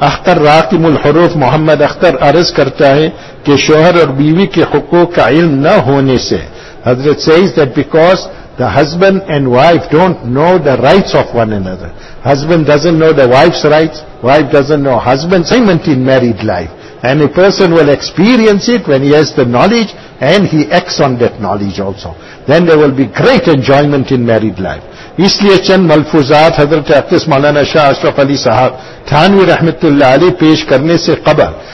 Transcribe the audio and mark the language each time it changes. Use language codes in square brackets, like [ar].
[ur] اختر راقم الحروف محمد اختر عرض کرتا ہے کہ شوہر اور بیوی کے حقوق کا علم نہ ہونے سے. [en] حضرت says that because the husband and wife don't know the rights of one another. Husband doesn't know the wife's rights, wife doesn't know husband's. Same in married life. And a person will experience it when he has the knowledge and he acts on that knowledge also. Then there will be great enjoyment in married life. [ur] اس لیے چند ملفوظات حضرت اقدس مولانا شاہ اشرف علی صاحب تھانوی رحمت اللہ علی پیش کرنے سے قبل.